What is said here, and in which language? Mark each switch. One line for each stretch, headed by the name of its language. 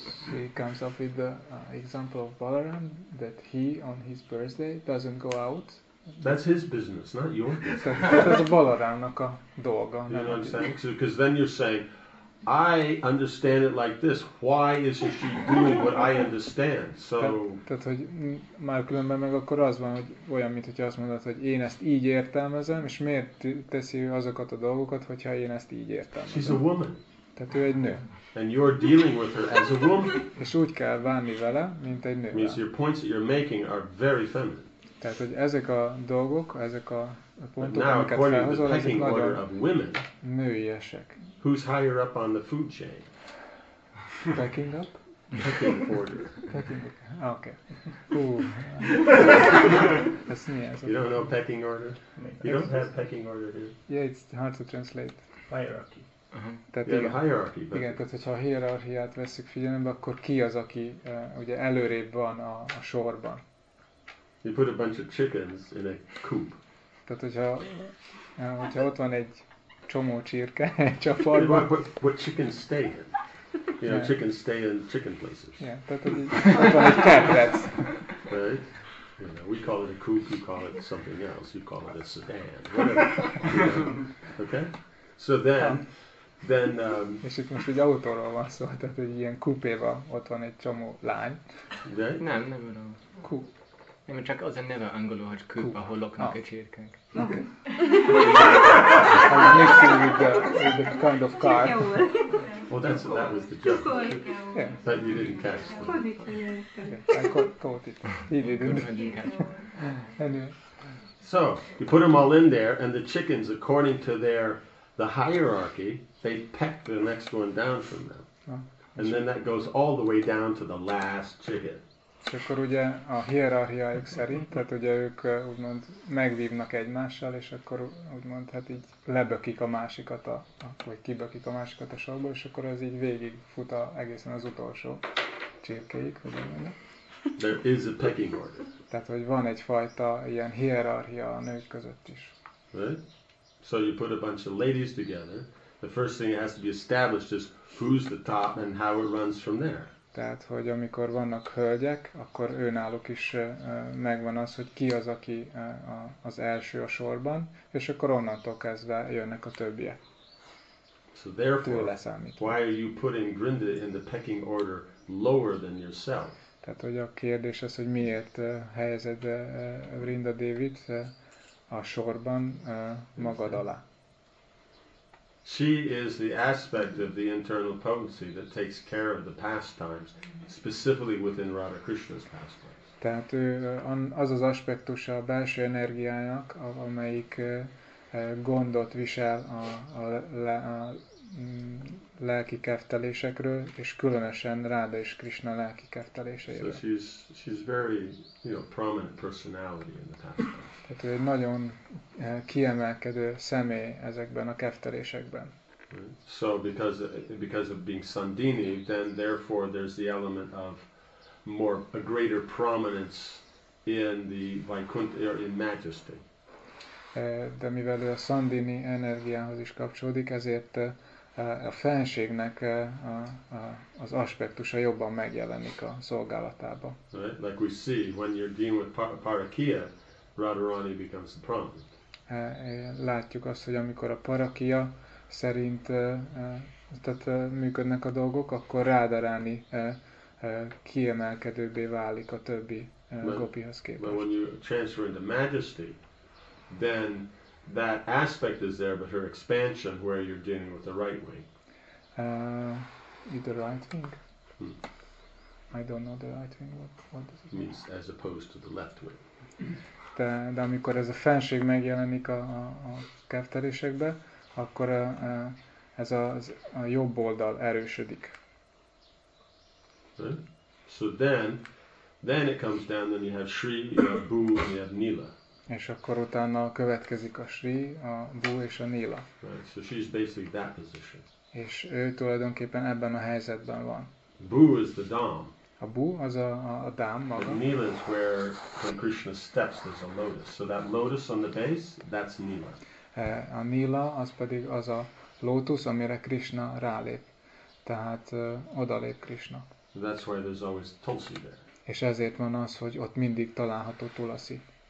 English: She comes up with the example of Balaram, that he on his birthday doesn't go out. That's his business, not yours. That's
Hungarian: Balaramnak a dolga.
English: You know what I'm saying? Because then you're saying, I understand it like this. Why is she doing what I understand? So.
Hungarian: Tehát hogy már különben meg akkor az van, hogy olyan, mint hogyha azt mondod, hogy én ezt így értelmezem, és miért teszi azokat a dolgokat, hogyha én ezt így értelmezem.
English: She's a woman.
Hungarian: Tehát ő egy nő.
English: And you're dealing with her as a woman.
Hungarian: És úgy kell bánni vele, mint egy nő.
English: Means your points that you're making are very feminine.
Hungarian: Tehát hogy ezek a dolgok, ezek a pontok,
English: now,
Hungarian: amiket felhozol,
English: the pecking order of women.
Hungarian: Nőiesek.
English: Who's higher up on the food chain? Pecking up? Cooking for you. Cooking. Okay. Ooh. You don't know pecking order? You don't have pecking order, do you? Yeah, it's hard to translate. Hierarchy.
Hungarian: Tehát igen, a hierarchy,
English: but...
Hungarian: igen, tehát hogyha a hierarchiát veszük figyelembe, akkor ki az, aki ugye előrébb van a sorban?
English: You put a bunch of chickens in a coop.
Hungarian: Tehát hogyha ott van egy csomó csirke egy csapatban...
English: What chickens stay in? You know, chickens stay in chicken places. Yeah,
Hungarian: tehát hogy ott van egy kertet.
English: Right? You know, we call it a coop, you call it something else, you call it a sedan, whatever. You know. Okay? So then
Hungarian: és itt most egy autóról van szó, tehát egy ilyen kupéval ott van egy csomó lány. De? Nem, nem van az. Kup. Nem, csak az a neve angolul, hogy kup, ahol loknak a csirkek.
English: Okay. I'm mixing with the kind of car. Well, that's that was the joke. Yeah. But you didn't catch it. Okay. I caught it. He didn't catch it. Anyway. So, you put them all in there, and the chickens, according to their... the hierarchy, they peck the next one down from them. And then that goes all the way down to the last chicken.
Hungarian: És akkor ugye a hierarchiájuk szerint, tehát ugye ők úgymond megvívnak egymással, és akkor úgymond hát így lebökik a másikat, vagy kibökik a másikat a sorból, és akkor ez így végig fut a egészen az utolsó csirkéig, hogy mondjam.
English: There is a pecking order.
Hungarian: Tehát, hogy van egyfajta ilyen hierarchia a nők között is.
English: Right? So you put a bunch of ladies together. The first thing that has to be established is who's the top and how it runs from there.
Hungarian: Tehát, hogy amikor vannak hölgyek, akkor őnáluk is megvan az, hogy ki az, aki az első a sorban, és akkor onnantól kezdve jönnek a többiek.
English: So therefore, why are you putting Grinda in the pecking order lower than yourself?
Hungarian: Tehát, hogy a kérdés az, hogy miért helyezed Grinda Dévit a sorban magad alá.
English: She is the aspect of the internal potency that takes care of the pastimes, specifically within Radha Krishna's pastimes.
Hungarian: Tehát ő az az aspektus a belső energiának, amelyik gondot visel a lelki keftelésekről, és különösen Radha és Krishna lelki kefteléseiről.
English: So she's very, you know, prominent personality in the pastimes.
Hungarian: Tehát ő egy nagyon kiemelkedő személy ezekben a keftelésekben.
English: So because of being Sandini, then therefore there's the element of more a greater prominence in the Vaikunth or in majesty.
Hungarian: De mivel ő a Sandini energiához is kapcsolódik, ezért a fenségnek az aspektusa jobban megjelenik a szolgálatába.
English: Right? Like we see when you're dealing with Parakia, Radharani becomes the prominent.
Hungarian: Látjuk azt, hogy amikor a Parakia szerint tehát működnek a dolgok, akkor Radharani kiemelkedőbbé válik a többi gopihoz képest.
English: But when you transfer into majesty, then that aspect is there, but her expansion, where you're dealing with the right wing. The right wing? Hmm. I don't know the right wing. What does it mean? As opposed to the left wing.
Hungarian: De amikor ez a fenség megjelenik a keftelésekbe, akkor ez a jobb oldal erősödik.
English: Right. So then it comes down, then you have Sri, you have Bhu, and you have Nila.
Hungarian: És akkor utána következik a Sri, a Bhu és a Nila.
English: Right. So she's basically that position.
Hungarian: És ő tulajdonképpen ebben a helyzetben van.
English: Bhu is the Dham.
Hungarian: A Bhu az a dám maga.
English: And Nila is where, when Krishna steps, there's a lotus. So that lotus on the base, that's Nila.
Hungarian: A Nila az pedig az a lótusz, amire Krishna rálép. Tehát odalép Krishna.
English: That's why there's always Tulsi there.
Hungarian: És ezért van az, hogy ott mindig található Tulasi.